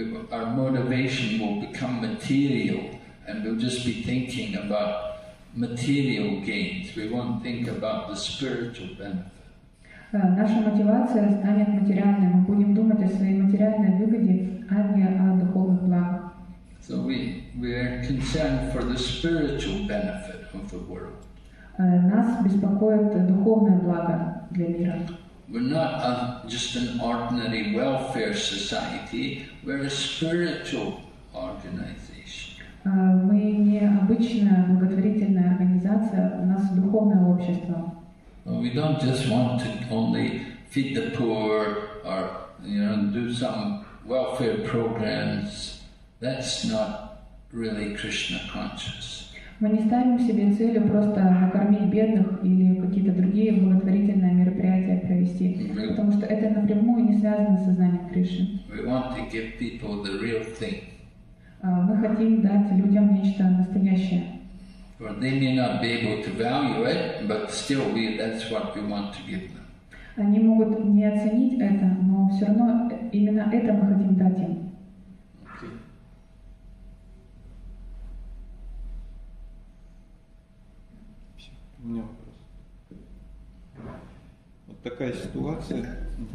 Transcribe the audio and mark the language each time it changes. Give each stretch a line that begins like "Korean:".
English: Our motivation will become material, and we'll just be thinking about material gains. We won't think about the spiritual benefit.
Russian: Наша мотивация станет материальной. Мы будем думать о своей материальной выгоде, а не о духовных благах.
English: So we are concerned for the spiritual benefit of the world.
Russian: Нас беспокоит духовное благо для мира.
English: We're not a, just an ordinary welfare society, we're a spiritual organization.
Russian: Мы не обычная благотворительная организация, у нас духовное общество.
English: We don't just want to only feed the poor or, you know, do some welfare programs. That's not really Krishna conscious.
Russian: Мы не ставим себе целью просто накормить бедных или какие-то другие благотворительные мероприятия провести, потому что это напрямую не связано с сознанием Кришны.
English: We want to give people the real thing.
Russian: Мы хотим дать людям нечто настоящее.
English: Well, they may not be able to value it, but still we, that's what we want to give them.
Russian: Они могут не оценить это, но все равно именно это мы хотим дать им. У меня вопрос. Вот такая ситуация.